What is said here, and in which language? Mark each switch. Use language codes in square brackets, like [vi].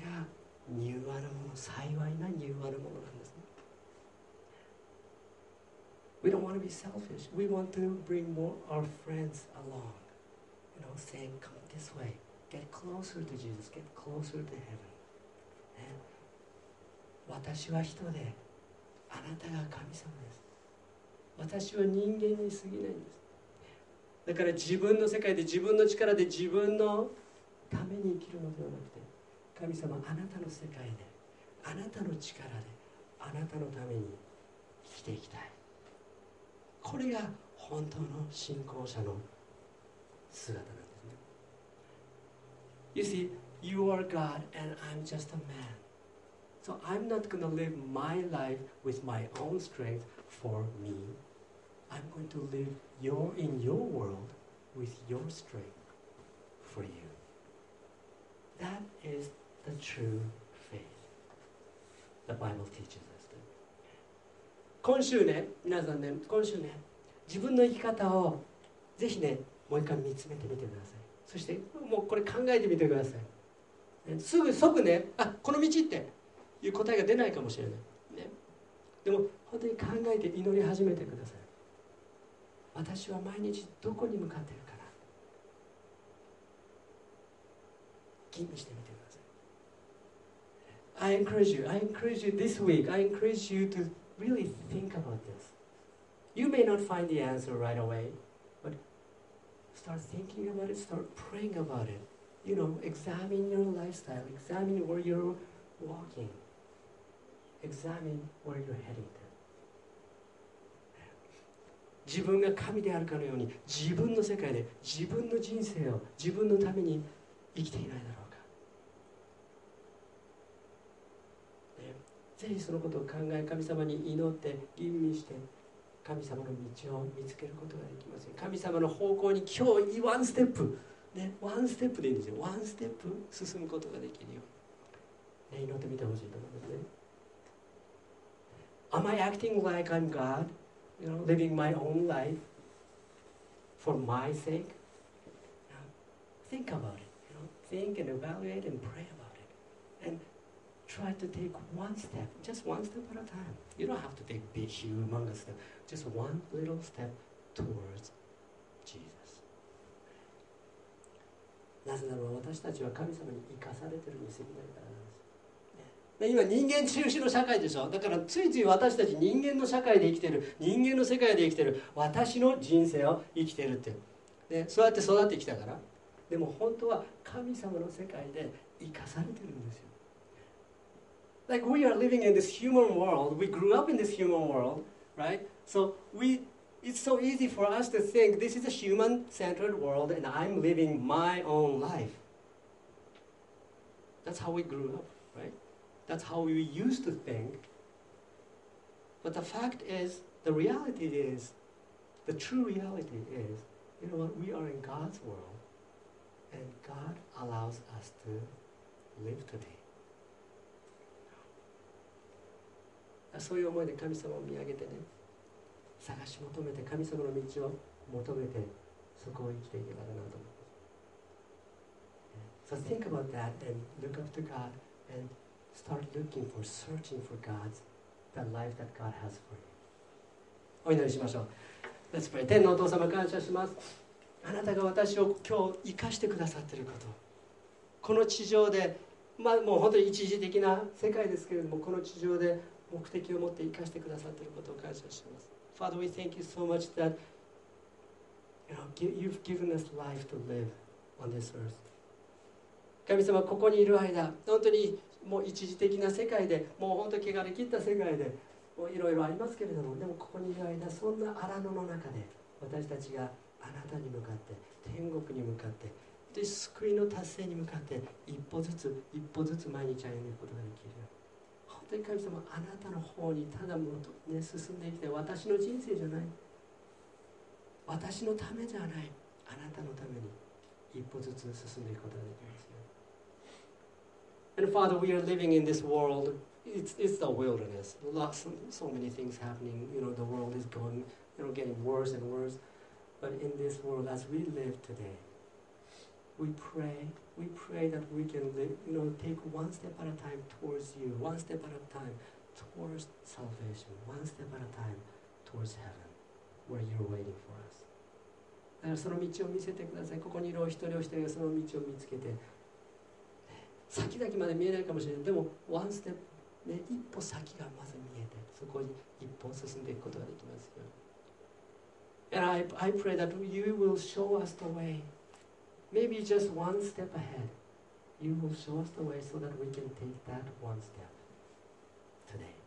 [ja] これが柔和なもの、幸いな柔和なものなんですね。 [en] We don't want to be selfish. We want to bring more our friends along. You know, saying, come this way. Get closer to Jesus. Get closer to heaven.、 [ja] ね、私は人で、あなたが神様です。私は人間に過ぎないんです。だから自分の世界で自分の力で自分のために生きるのではなくて、神様あなたの世界であなたの力であなたのために生きていきたい。これが本当の信仰者の姿なんですね。 [en] You see, you are God and I'm just a man. So I'm not going to live my life with my own strength for me. I'm going to live your, in your world with your strength for you. That is the true faith. The Bible teaches us that. [ja] 今週ね、皆さんね、今週ね、自分の生き方をぜひね、もう一回見つめてみてください。そしてもうこれ考えてみてください。ね、すぐ即ね、あ、この道っていう答えが出ないかもしれない。ね、でも本当に考えて祈り始めてください。私は毎日どこに向かっているかな、吟味してみてください。 [en] I encourage you this week. I encourage you to really think about this. You may not find the answer right away, but start thinking about it, start praying about it. You know, examine your lifestyle, examine where you're walking, examine where you're heading to. [ja] 自分が神であるかのように自分の世界で自分の人生を自分のために生きていないだろうか、ね、ぜひそのことを考え、神様に祈って吟味して神様の道を見つけることができます。神様の方向に今日ワンステップ、ね、ワンステップでいいんですよ。ワンステップ進むことができるよ、ね、祈ってみてほしいと思いますね。 [en] Am I acting like I'm God? You know, living my own life for my sake. Now, think about it. You know, think and evaluate and pray about it. And try to take one step, just one step at a time. You don't have to take big, humongous step. Just one little step towards Jesus. [ja] なぜなら私たちは神様に生かされているに過ぎないからなんです。今人間中心の社会でしょ。だからついつい私たち人間の社会で生きてる、人間の世界で生きてる、私の人生を生きてるって、ね、そうやって育ってきたから。でも本当は神様の世界で生かされてるんですよ。 [en] Like we are living in this human world. We grew up in this human world, right? So we, it's so easy for us to think this is a human-centered world and I'm living my own life. That's how we grew up. That's how we used to think. But the fact is, the reality is, the true reality is, you know what, we are in God's world, and God allows us to live today. [ja] そういう思いで神様を見上げてね、探し求めて神様の道を求めて、そこを生きていけばなと思います。 [en] So think about that and look up to God and start looking for, searching for God's, the life that God has for you. [ja] お祈りしましょう。 [en] Let's pray. [ja] 天のお父様、感謝します。あなたが私を今日生かしてくださっていること、この地上で、まあ、もう本当に一時的な世界ですけれども、この地上で目的を持って生かしてくださっていることを感謝します。 [en] Father, we thank you so much that you know, you've given us life to live on this earth. [ja] 神様、ここにいる間、本当にもう一時的な世界で、もう本当に汚れ切った世界で、もういろいろありますけれども、でもここにいる間、そんな荒野の中で、私たちがあなたに向かって、天国に向かって、で救いの達成に向かって、一歩ずつ、一歩ずつ毎日歩むことができる。本当に神様、あなたの方にただもう、ね、進んでいきたい。私の人生じゃない。私のためじゃない。あなたのために一歩ずつ進んでいくことができますよ。 [en] And Father, we are living in this world. It's the wilderness. Lots of, so many things happening. You know, the world is going, you know, getting worse and worse. But in this world, as we live today, we pray that we can live, you know, take one step at a time towards you, one step at a time towards salvation, one step at a time towards heaven, where you're waiting for us. [ja] だからその道を見せてください。ここにいるお一人お一人がその道を見つけて、先々まで見えないかもしれない。でも、ワンステップ、ね、一歩先がまず見えて、そこに一歩進んでいくことができますよ。 [en] And I pray that you will show us the way. Maybe just one step ahead. You will show us the way so that we can take that one step today.